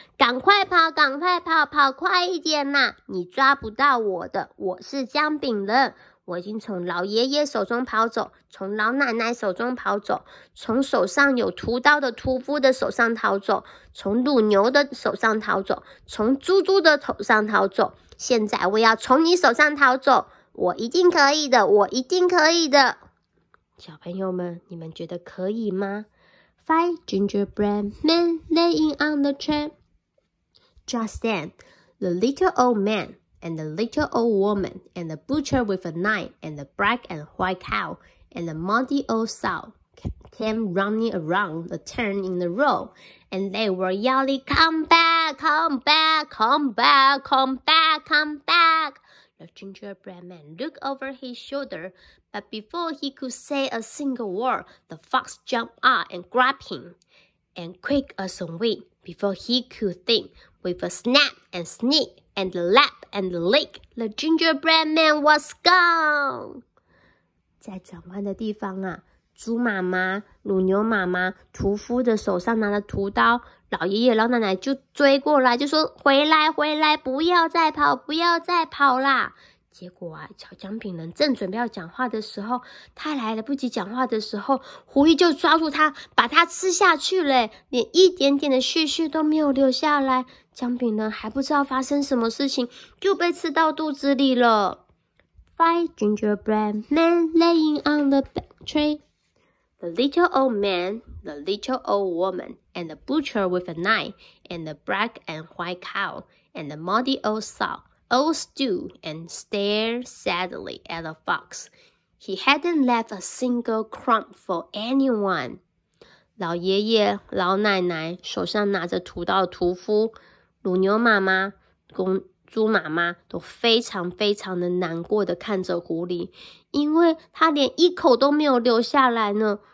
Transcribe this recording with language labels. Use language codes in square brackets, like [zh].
[zh] 赶快跑，赶快跑，跑快一点啦，你抓不到我的，我是姜饼人，我已经从老爷爷手中跑走，从老奶奶手中跑走，从手上有屠刀的屠夫的手上逃走，从乳牛的手上逃走，从猪猪的头上逃走，现在我要从你手上逃走，我一定可以的，我一定可以的。小朋友们，你们觉得可以吗？ [en] Five gingerbread men laying on the tramp. Just then, the little old man and the little old woman and the butcher with a knife and the black and white cow and the muddy old sow came running around the turn in the row, and they were yelling, "Come back, come back, come back, come back, come back." The gingerbread man looked over his shoulder, but before he could say a single word, the fox jumped up and grabbed him. And quick as a wink, before he could think, with a snap and sneak and a lap and a lick, the gingerbread man was gone. [zh] 在转弯的地方啊，猪妈妈、乳牛妈妈、屠夫的手上拿着屠刀，老爷爷、老奶奶就追过来，就说：“回来，回来，不要再跑，不要再跑啦！” 结果啊，小姜饼人正准备要讲话的时候，他来得不及讲话的时候，狐狸就抓住他，把他吃下去了，连一点点的血血都没有留下来。姜饼人还不知道发生什么事情，就被吃到肚子里了。 [en] Five gingerbread men laying on the tree. The little old man, the little old woman, and the butcher with a knife, and the black and white cow, and the muddy old sow, all stood and stared sadly at the fox. He hadn't left a single crumb for anyone. [zh] 老爷爷、老奶奶手上拿着屠刀的屠夫、乳牛妈妈、公猪妈妈都非常非常的难过的看着狐狸，因为他连一口都没有留下来呢。